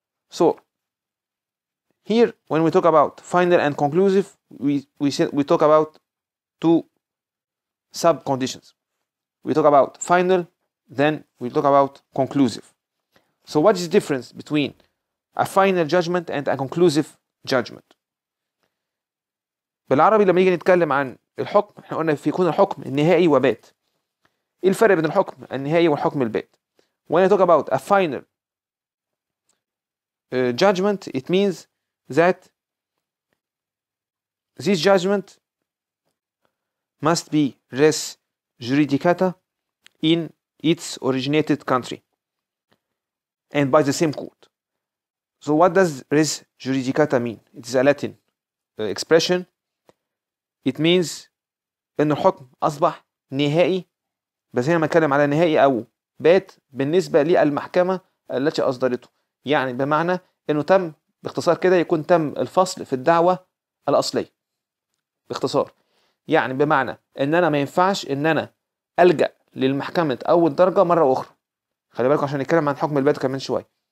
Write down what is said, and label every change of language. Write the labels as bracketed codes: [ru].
[en] So here, when we talk about final and conclusive, we talk about 2 sub-conditions. We talk about final, then we talk about conclusive. So what is the difference between a final judgment and a conclusive judgment? [ar] بالعربي لما يجي نتكلم عن الحكم، احنا قلنا فيكون الحكم النهائي وبات. ايه الفرق بين الحكم النهائي والحكم البات؟ [en] When I talk about a final judgment, it means that this judgment must be res juridicata in its originated country and by the same court. So what does res juridicata mean? It is a Latin expression. It means [ar] ان الحكم اصبح نهائي، بس هنا ما اتكلم على نهائي او بات بالنسبة للمحكمة التي اصدرته، يعني بمعنى انه تم باختصار كده، يكون تم الفصل في الدعوة الأصلية باختصار، يعني بمعنى ان انا ما ينفعش ان انا ألجأ للمحكمة اول درجة مرة اخرى. خلي بالكم عشان نتكلم عن حكم البات كمان شوية.